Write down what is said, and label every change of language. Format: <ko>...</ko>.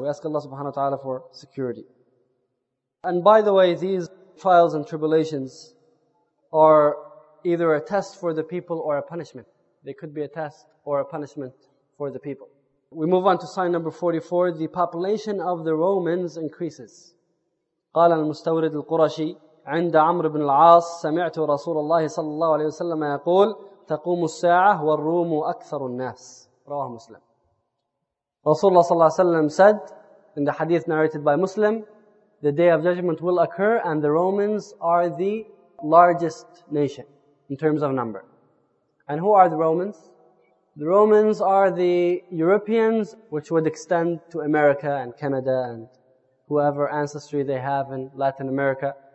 <en>We ask Allah subhanahu wa ta'ala for security. And by the way, these trials and tribulations are either a test for the people or a punishment. They could be a test or a punishment for the people. We move on to sign number 44. The population of the Romans increases.</en> <ar>قال المستورد القرشي عند عمرو بن العاص سمعت رسول الله صلى الله عليه وسلم يقول تقوم الساعة والروم أكثر الناس. رواه مسلم.</ar> <en>Rasulullah صلى الله عليه وسلم said in the hadith narrated by Muslim, the day of judgment will occur and the Romans are the largest nation in terms of number. And who are the Romans? The Romans are the Europeans, which would extend to America and Canada and whoever ancestry they have in Latin America.</en>